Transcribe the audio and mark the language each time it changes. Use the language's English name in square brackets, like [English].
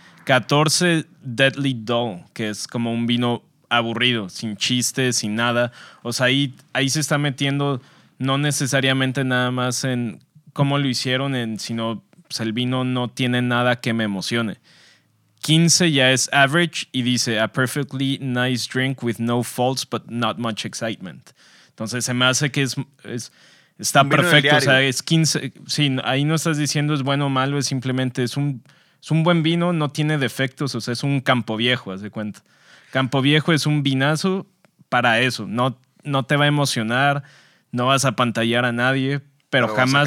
[Spanish] 14, Deadly Dull, que es como un vino aburrido, sin chistes, sin nada. O sea, ahí se está metiendo no necesariamente nada más en cómo lo hicieron, sino pues el vino no tiene nada que me emocione. 15 ya es average y dice [English] a perfectly nice drink with no faults but not much excitement. [Spanish] Entonces se me hace que está perfecto. O sea, es 15. Sí, ahí no estás diciendo es bueno o malo, es simplemente es un buen vino, no tiene defectos, o sea, es un campo viejo, haz de cuenta. Campo viejo es un vinazo para eso. No, no te va a emocionar, no vas a pantallar a nadie, pero jamás,